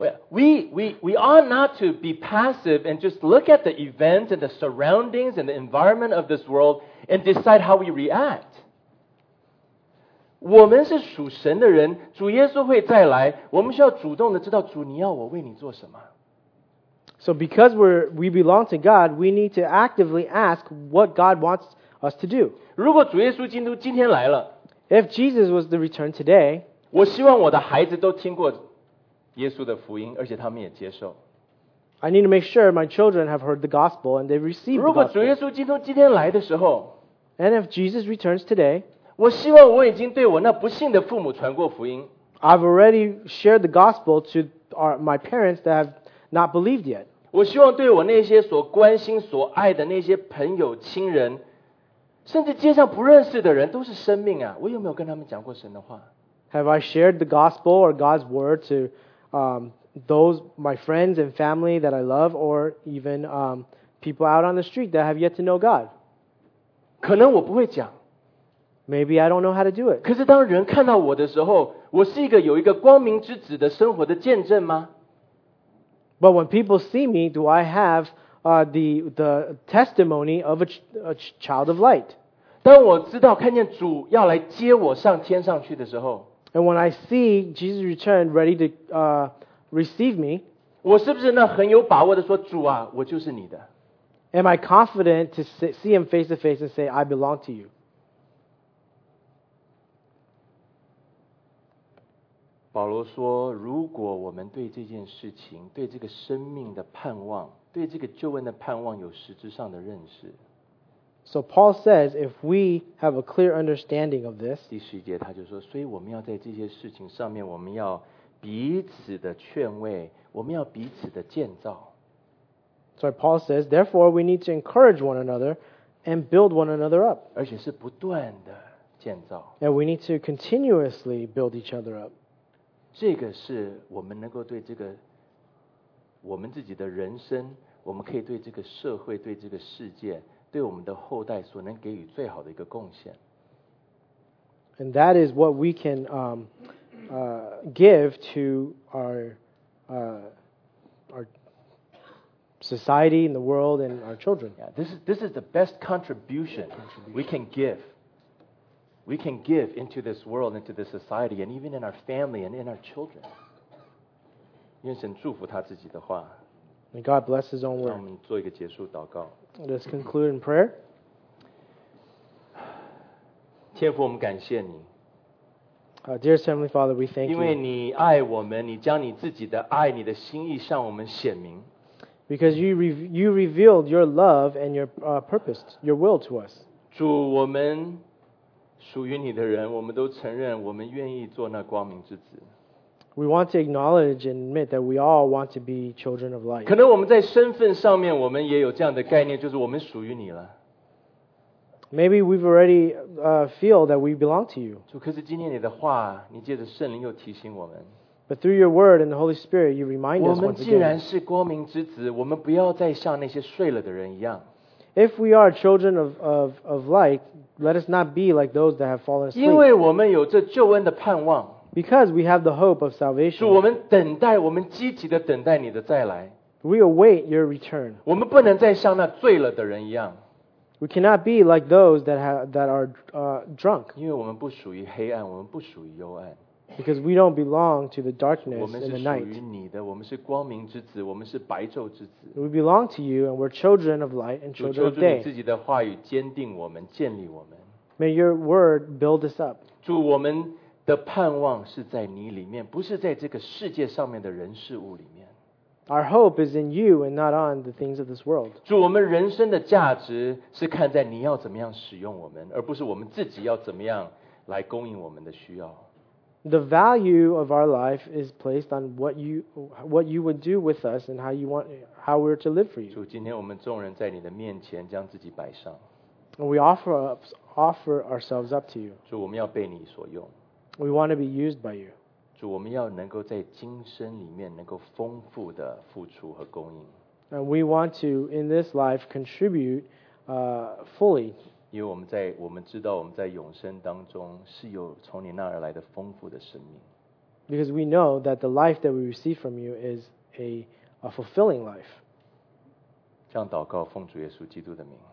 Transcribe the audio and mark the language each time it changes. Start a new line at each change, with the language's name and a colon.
English: We ought not to be passive and just look at the events and the surroundings and the environment of this world and decide how we react.
Chinese: 我们是属神的人，主耶稣会再来，我们需要主动的知道主你要我为你做什么。
English: So because we belong to God, we need to actively ask what God wants us to do.
Chinese: 如果主耶稣基督今天来了，
English: If Jesus was to return today,
Chinese: 我希望我的孩子都听过耶稣的福音，而且他们也接受。
English: I need to make sure my children have heard the gospel and they receive the gospel.
Chinese: 如果主耶稣基督今天来的时候，
English: and if Jesus returns today,
Chinese: 我希望我已经对我那不信的父母传过福音。
English: I've already shared the gospel to my parents that have not believed yet.
Chinese: 我希望对我那些所关心、所爱的那些朋友、亲人，甚至街上不认识的人，都是生命啊！我有没有跟他们讲过神的话？
English: Have I shared the gospel or God's word to those, my friends and family that I love, or even people out on the street that have yet to know God?
Chinese: 可能我不会讲。
English: Maybe I don't know how to do it.
Chinese: 可是当人看到我的时候，我是一个有一个光明之子的生活的见证吗？
English: But when people see me, do I have the testimony of a child of light?
Chinese: 当我知道看见主要来接我上天上去的时候，
English: And when I see Jesus return ready to receive me,
Chinese: 我是不是那很有把握的说主啊，我就是你的？
English: Am I confident to see him face to face and say, I belong to you?
Chinese: 保罗说，如果我们对这件事情，对这个生命的盼望，对这个救恩的盼望有实质上的认识。
English: So Paul says, if we have a clear understanding of this,
Chinese: 第十节他就说，所以我们要在这些事情上面，我们要彼此的劝慰，我们要彼此的建造。
English: So Paul says, therefore we need to encourage one another and build one another up.
Chinese: 而且是不断的建造。
English: And we need to continuously build each other up.
Chinese: 这个是我们能够对这个，我们自己的人生，我们可以对这个社会，对这个世界，对我们的后代所能给予最好的一个贡献。
English: And that is what we can give to our society and the world and our children. Yeah, this is the best contribution we can give. We can give into this world, into this society, and even in our family and in our children.
Chinese: 愿神祝福他自己的话。
English: May God bless His own word.
Chinese: 让我们做一个结束祷告。
English: Let's conclude in prayer.
Chinese: 天父，我们感谢你。
English: Dear Heavenly Father, we thank you.
Chinese: 因为你爱我们，你将你自己的爱、你的心意向我们显明。
English: Because you revealed your love and your purpose, your will to us.
Chinese: 主，我们属于你的人，我们都承认，我们愿意做那光明之子。
English: We want to acknowledge and admit that we all want to be children of light.
Chinese: 可能我们在身份上面，我们也有这样的概念，就是我们属于你了。
English: Maybe we've already feel that we belong to you.
Chinese: 主，可是今天你的话，你借着圣灵又提醒我们。
English: But through your word and the Holy Spirit, you remind us.
Chinese: 我们既然是光明之子，我们不要再像那些睡了的人一样。
English: If we are children of light, let us not be like those that have fallen asleep.
Chinese: 因为我们有这救恩的盼望。
English: Because we have the hope of salvation.
Chinese: 主，我们等待，我们积极的等待你的再来。
English: We await your return.
Chinese: 我们不能再像那醉了的人一样。
English: We cannot be like those that are drunk.
Chinese: 因为我们不属于黑暗，我们不属于幽暗。
English: Because we don't belong to the darkness and the night.
Chinese: 我们是属于你的，我们是光明之子，我们是白昼之子。
English: We belong to you, and we're children of light and children of day.
Chinese: 主，求主你自己的话语坚定我们，建立我们。
English: May your word build us up.
Chinese: 主，我们的盼望是在你里面，不是在这个世界上面的人事物里面。
English: Our hope is in you and not on the things of this world.
Chinese: 主，我们人生的价值是看在你要怎么样使用我们，而不是我们自己要怎么样来供应我们的需要。
English: The value of our life is placed on what you would do with us and how we're to live for you.
Chinese: 主，今天我们众人在你的面前将自己摆上。
English: We offer ourselves up to you.
Chinese: 主，我们要被你所用。
English: We want to be used by you.
Chinese: 主，我们要能够在今生里面能够丰富的付出和供应。
English: And we want to in this life contribute fully.
Chinese: 因为我们知道我们在永生当中是有从你那儿来的丰富的生命。
English: Because we know that the life that we receive from you is a fulfilling life.
Chinese: 这样祷告，奉主耶稣基督的名。